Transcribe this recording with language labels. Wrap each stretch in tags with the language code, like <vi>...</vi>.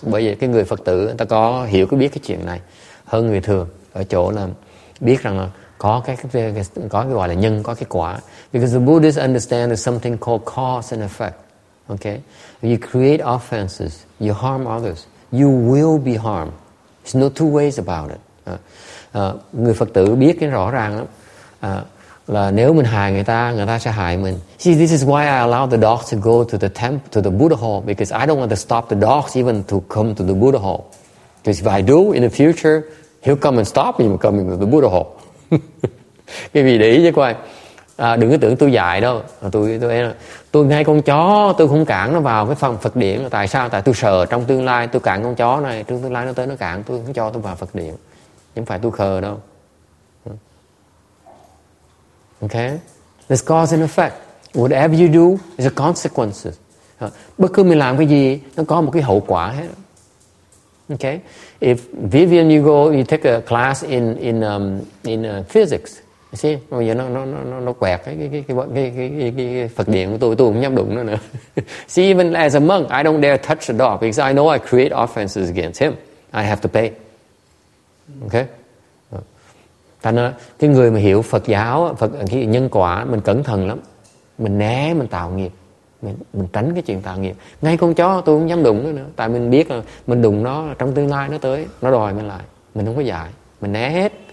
<vi>Bởi vậy cái người Phật tử người ta có hiểu cái biết cái chuyện này hơn người thường ở chỗ là biết rằng là có cái gọi là nhân, có cái quả.</vi> <en>Because the Buddhists understand there's something called cause and effect. Okay, if you create offenses, you harm others, you will be harmed. There's no two ways about it.</en> <vi>Người Phật tử biết cái rõ ràng lắm. Là nếu mình hại người ta sẽ hại mình.</vi> <en>See, this is why I allow the dogs to go to the temple, to the Buddha hall, because I don't want to stop the dogs even to come to the Buddha hall. Because if I do, in the future, he'll come and stop me from coming to the Buddha hall.</en> <vi>Cái vị để ý chứ coi. Đừng có tưởng tôi dạy đâu. Tôi ngay con chó, tôi không cản nó vào cái phần Phật điện. Tại sao? Tại tôi sợ trong tương lai, tôi cản con chó này, trong tương lai nó tới nó cản, tôi không cho tôi vào Phật điện. Không phải tôi khờ đâu.</vi> <en>Okay, there's cause and effect. Whatever you do is a consequence.</en> <vi>Bất cứ mình làm cái gì nó có một cái hậu quả hết.</vi> <en>Okay, if Vivian, you go, you take a class in physics. You see,</en> <vi>bây giờ nó quẹt cái Phật điện của tôi cũng nhắm đụng nữa.</vi> <en>See, even as a monk, I don't dare touch the dog because I know I create offenses against him. I have to pay. Okay.</en> <vi>Thành ra cái người mà hiểu Phật giáo, Phật cái nhân quả, mình cẩn thận lắm. Mình né, mình tạo nghiệp. Mình tránh cái chuyện tạo nghiệp. Ngay con chó tôi cũng dám đụng nó nữa. Tại mình biết là mình đụng nó, trong tương lai nó tới, nó đòi mình lại. Mình không có dạy. Mình né hết.</vi>